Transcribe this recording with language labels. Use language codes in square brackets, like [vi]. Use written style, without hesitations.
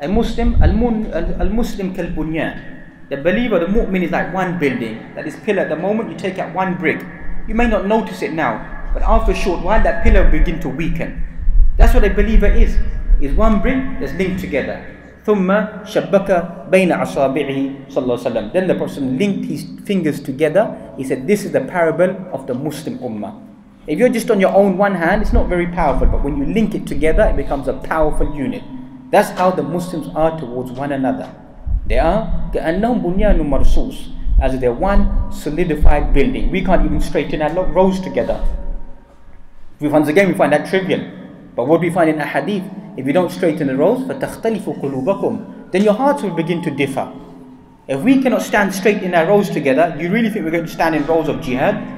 [en] A Muslim, [ar] al-Muslim kal-bunyan. [en] The believer, the mu'min is like one building. That is pillar. The moment you take out one brick, you may not notice it now, but after a short while, that pillar will begin to weaken. That's what a believer is. Is one brick that's linked together. [ar] ثم شبك بين أصابعه صلى الله عليه وسلم. [en] Then the person linked his fingers together. He said, this is the parable of the Muslim Ummah. If you're just on your own one hand, it's not very powerful. But when you link it together, it becomes a powerful unit. That's how the Muslims are towards one another. They are [ar] كأنهم بنيان مرصوص. [en] As they're one solidified building. We can't even straighten our rows together. Once again, we find that trivial. But what we find in a hadith, if you don't straighten the rows, [ar] فَتَخْتَلِفُ قُلُوبَكُمْ, [en] then your hearts will begin to differ. If we cannot stand straight in our rows together, you really think we're going to stand in rows of jihad?